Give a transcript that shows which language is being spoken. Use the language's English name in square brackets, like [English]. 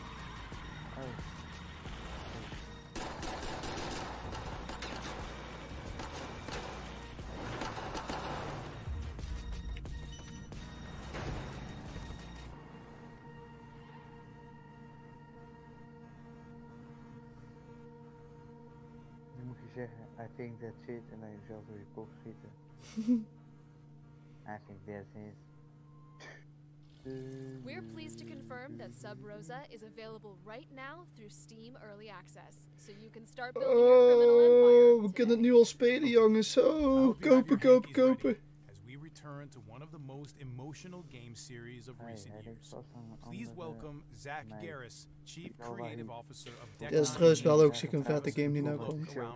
[Dutch] Nu moet je zeggen, [English] I think that's it, [Dutch] en dan jezelf door je kop schieten. [English] I think that's it. We're pleased to confirm that Sub Rosa is available right now through Steam Early Access, so you can start building your criminal empire. [Dutch] We kunnen het nu al spelen, jongens. Kopen. [English] As we return to one of the most emotional game series of recent years, please welcome Zach Garris, Chief Creative Officer of Deckhouse. [Dutch] Dat is trouwens wel ook zeker een vette game die nou komt.